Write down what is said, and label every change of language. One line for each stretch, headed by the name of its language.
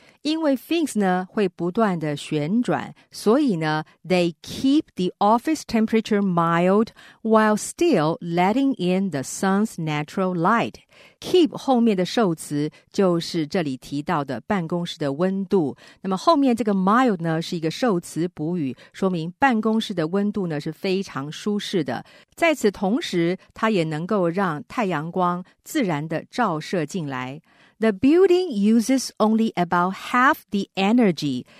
Chinese: 因为
English: fins
Chinese: 呢会不断的旋转，所以呢
English: they keep the office temperature mild while still letting in the sun's natural light.
Chinese: Keep 后面的受词就是这里提到的办公室的温度。那么后面这个 mild 呢是一个受词补语，说明办公室的温度呢是非常舒适的。在此同时，它也能够让太阳光自然的照射进来。
English: The building uses only about half the energy.